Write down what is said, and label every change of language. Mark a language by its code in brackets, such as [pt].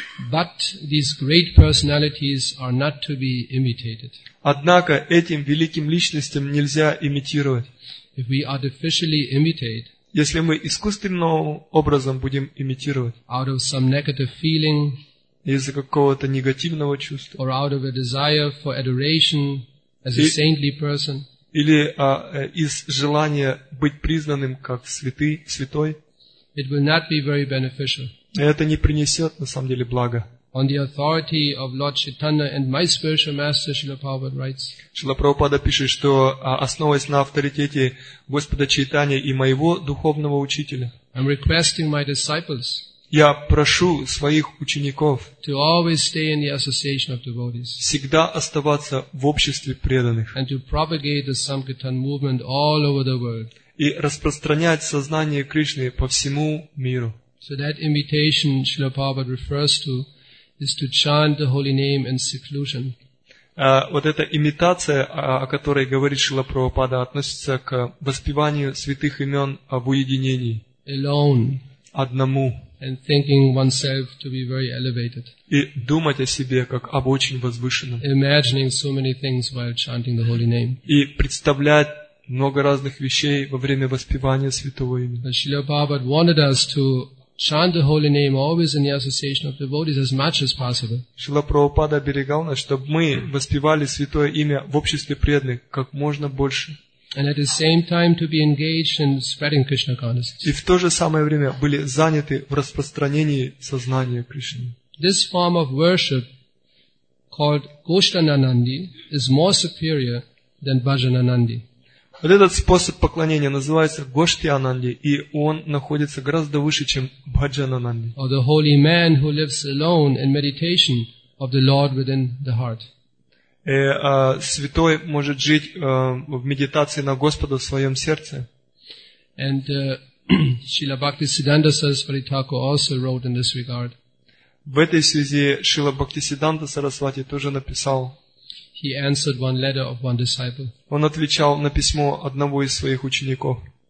[en] But these great personalities are not to be imitated. [ru] Однако этим великим личностям нельзя имитировать. [en] If we artificially imitate, [ru] если мы искусственным образом будем имитировать, [en] out of some negative feeling, [ru] из-за какого-то негативного чувства, [en] or out of a desire for adoration as a saintly person, [ru] или из желания быть признанным как святой, [en] it will not be very beneficial. [ru] Это не принесет, на самом деле, блага. [en] On the authority of Lord Chaitanya and my spiritual master, Srila Prabhupada writes. [ru] Srila Prabhupada пишет, что основываясь на авторитете Господа Чайтаньи и моего духовного учителя, [en] I'm requesting my disciples. [ru] Я прошу своих учеников [en] to always stay in the association of devotees. [ru] Всегда оставаться в обществе преданных. [en] And to propagate the Sankirtan movement all over the world. [ru] И распространять сознание Кришны по всему миру. [en] So that imitation Srila Prabhupada refers to is to chant the holy name in seclusion. [ru] Вот эта имитация, о которой говорит Шрила Прабхупада, относится к воспеванию святых имен в уединении. [en] Alone. [ru] Одному. [en] And thinking oneself to be very elevated. [ru] И думать о себе как об очень возвышенном. [en] Imagining so many things while chanting the holy name. [ru] И представлять много разных вещей во время воспевания святого имени. [en] Srila Prabhupada wanted us to chant the holy name always in the association of devotees as much as possible. [ru] Шрила Прабхупада оберегал нас, чтобы мы воспевали святое имя в обществе преданных как можно больше. [en] And at the same time to be engaged in spreading Krishna consciousness. [ru] И в то же самое время были заняты в распространении сознания Кришны. [en] This form of worship called Goshtananandi is more superior than Bhajananandi. [ru] Вот этот способ поклонения называется Гоштиананди, и он находится гораздо выше, чем Бхаджанананди. [en] Or the holy man who lives alone in meditation of the Lord within the heart. [ru] Святой может жить в медитации на Господа в своем сердце. [en] And Srila Bhaktisiddhanta Sarasvati Thakur also wrote in this regard. [ru] В этой связи Шрила Бхактисиддханта Сарасвати тоже написал. [en] He answered one letter of one disciple. [ru] Он отвечал на письмо одного из своих учеников.